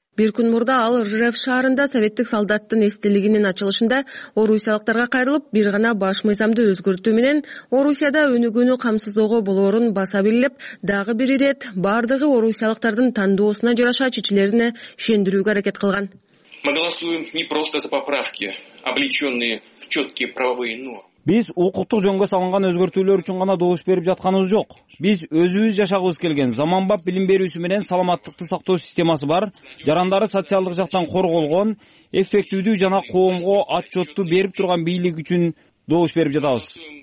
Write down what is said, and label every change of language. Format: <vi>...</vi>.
<ky>Бир күн мурда ал Ржев шаарында советтик солдаттын эстелигинин ачылышында орусиялыктарга кайрылып, бир гана баш мыйзамды өзгөртүү менен Орусияда өнүгүүнү камсыздоого болоорун баса билип, дагы бир ирет бардыгы орусиялыктардын тандоосуна жараша чечилерине ишендирүүгө аракет кылган.</ky> <ru>Мы голосуем не просто за поправки, облечённые в чёткие правовые нормы.</ru> <ky>Биз укуктук жөнгө салынган өзгөртүүлөр үчүн гана добуш берип жатканыбыз жок. Биз өзүбүз жашагыбыз келген заманбап билим берүүсү менен саламаттыкты сактоо системасы бар, жарандары социалдык жактан корголгон, эффективдүү жана коомго отчётту берип турган бийлик үчүн добуш берип жатабыз.</ky>